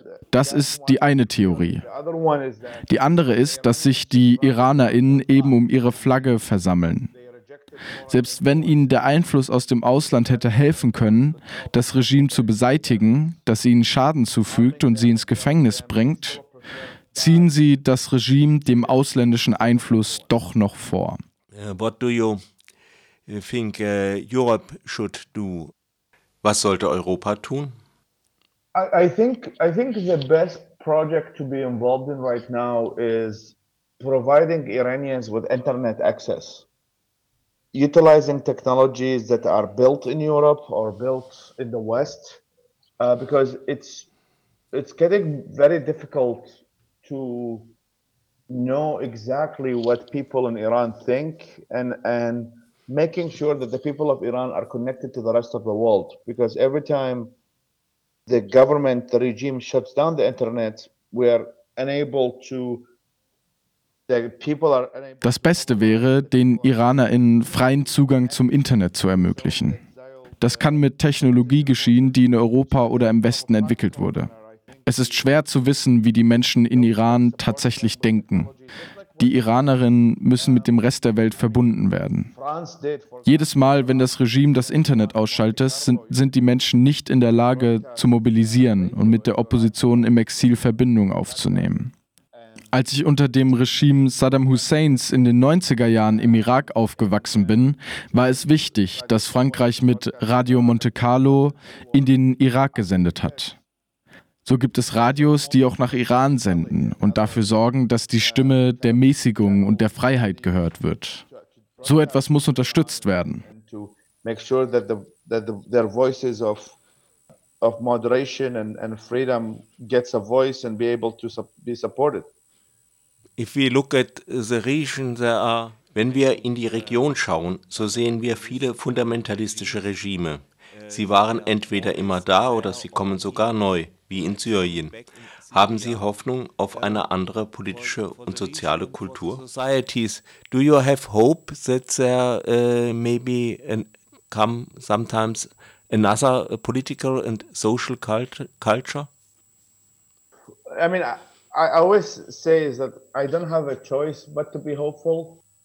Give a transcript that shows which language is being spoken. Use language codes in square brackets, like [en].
[de] Das ist die eine Theorie. Die andere ist, dass sich die IranerInnen eben um ihre Flagge versammeln. Selbst wenn ihnen der Einfluss aus dem Ausland hätte helfen können, das Regime zu beseitigen, das ihnen Schaden zufügt und sie ins Gefängnis bringt, ziehen sie das Regime dem ausländischen Einfluss doch noch vor. [en] What do you think Europe should do? [de] Was sollte Europa tun? [en] I think the best project to be involved in right now is providing Iranians with internet access, utilizing technologies that are built in Europe or built in the West, because it's getting very difficult to know exactly what people in Iran think and making sure that the people of Iran are connected to the rest of the world, because every time the government, the regime shuts down the internet, we are unable to, the people are unable. [de] Das Beste wäre, den IranerInnen freien Zugang zum Internet zu ermöglichen. Das kann mit Technologie geschehen, die in Europa oder im Westen entwickelt wurde. Es ist schwer zu wissen, wie die Menschen in Iran tatsächlich denken. Die IranerInnen müssen mit dem Rest der Welt verbunden werden. Jedes Mal, wenn das Regime das Internet ausschaltet, sind die Menschen nicht in der Lage zu mobilisieren und mit der Opposition im Exil Verbindung aufzunehmen. Als ich unter dem Regime Saddam Husseins in den 90er Jahren im Irak aufgewachsen bin, war es wichtig, dass Frankreich mit Radio Monte Carlo in den Irak gesendet hat. So gibt es Radios, die auch nach Iran senden und dafür sorgen, dass die Stimme der Mäßigung und der Freiheit gehört wird. So etwas muss unterstützt werden. [en] To make sure that their voices of moderation and freedom gets a voice and be able to be supported. If we look at the region, there are. [de] Wenn wir in die Region schauen, so sehen wir viele fundamentalistische Regime. Sie waren entweder immer da oder sie kommen sogar neu, wie in Syrien. Haben Sie Hoffnung auf eine andere politische und soziale Kultur? [en] Do you have hope that there maybe come sometimes another political and social culture? I mean, I always say is that I don't have a choice but to be hopeful.